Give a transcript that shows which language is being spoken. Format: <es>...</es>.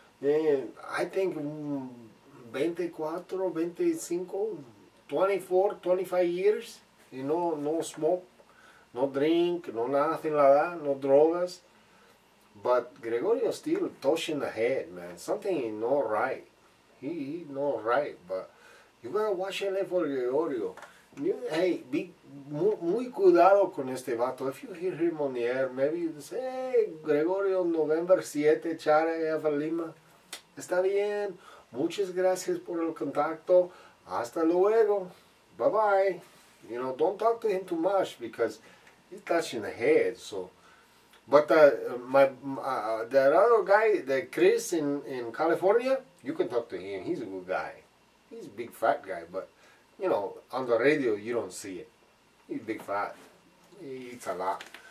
<en>And I think 24, 25, 24, 25 years, you know, no smoke, no drink, no nothing like that, no drogas. But Gregorio still touching the head, man. Something is not right. He not right, but you gotta watch out for Gregorio.</en> <es>Hey, be muy cuidado con este vato.</es> <en>If you hear him on the air, maybe you say, hey, Gregorio, November 7, Chara, Eva Lima.</en> <es>Está bien. Muchas gracias por el contacto. Hasta luego. Bye-bye.</es> <en>You know, don't talk to him too much because he's touching the head, so. But that other guy, the Chris in California, you can talk to him. He's a good guy. He's a big fat guy, but, you know, on the radio, you don't see it. He's big fat. It's a lot.</en>